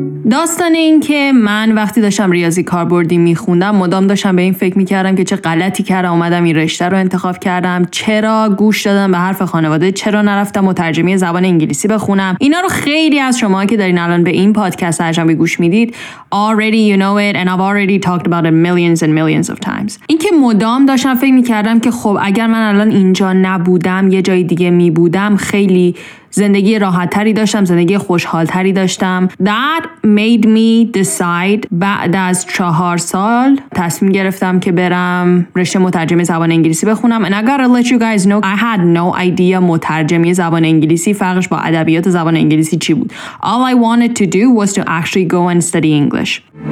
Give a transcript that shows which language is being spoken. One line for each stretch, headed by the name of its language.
Persian: داستان این که من وقتی داشتم ریاضی کاربردی میخوندم مدام داشتم به این فکر میکردم که چه غلطی کردم اومدم این رشته رو انتخاب کردم، چرا گوش دادم به حرف خانواده، چرا نرفتم مترجمی زبان انگلیسی بخونم. اینا رو خیلی از شما که دارین الان به این پادکست عجبی گوش میدید
English: already you know it and I've already talked about it millions and millions of times.
Persian: این که مدام داشتم فکر میکردم که خب اگر من الان اینجا نبودم یه جای دیگه میبودم خیلی زندگی راحت تری داشتم، زندگی خوشحال تری داشتم.
English: That made me decide
Persian: بعد از 4 سال تصمیم گرفتم که برم رشته مترجم زبان انگلیسی بخونم.
English: And I gotta let you guys know I had no idea
Persian: مترجمی زبان انگلیسی فرقش با ادبیات زبان انگلیسی چی بود.
English: All I wanted to do was to actually go and study English.